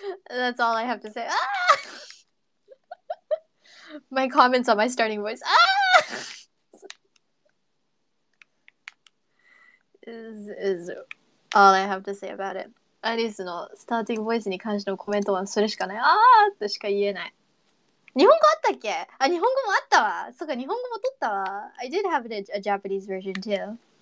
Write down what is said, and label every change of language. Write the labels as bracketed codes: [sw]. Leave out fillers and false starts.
[en] That's all I have to say. My comments on my starting voice. is all I have to say about it. [ja] アリスのスターティングボイスに関してのコメントはそれしかない。ああとしか言えない。日本語あったっけ？あ、日本語もあったわ。そっか、日本語も取ったわ。 [en] I did have a Japanese version too.